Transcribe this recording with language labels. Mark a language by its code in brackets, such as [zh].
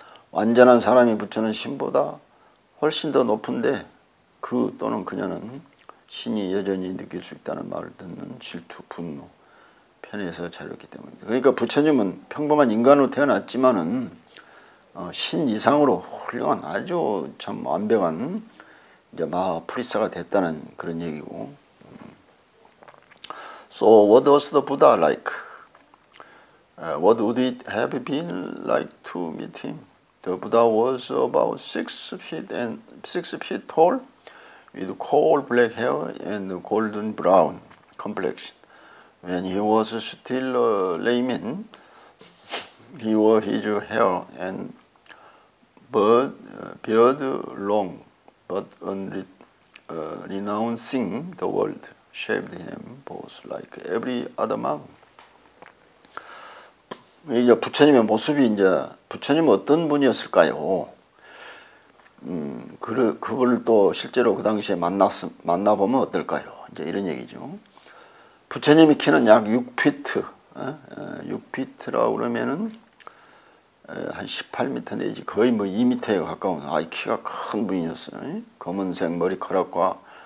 [ko] 완전한 사람이 부처는 신보다 훨씬 더 높은데 그 또는 그녀는 신이 여전히 느낄 수 있다는 말을 듣는 질투, 분노, 편에서 자랐기 때문입니다. 그러니까 부처님은 평범한 인간으로 태어났지만은 신 이상으로 훌륭한 아주 참 완벽한 이제 마하프리사가 됐다는 그런 얘기고. [en] So what was the Buddha like? What would it have been like to meet him? The Buddha was about six feet tall, with coal black hair and golden brown complexion. When he was still a layman, he wore his hair and beard long, but on renouncing the world, shaved him both like every other monk. [ko] 이제 부처님의 모습이 이제 부처님 어떤 분이었을까요? 그분을 또 실제로 그 당시에 만나보면 어떨까요? 이제 이런 얘기죠. 부처님이 키는 약 6피트, 6피트라고 그러면은 한 18미터 내지 거의 뭐 2미터에 가까운 아이 키가 큰 분이었어요. 검은색 머리카락과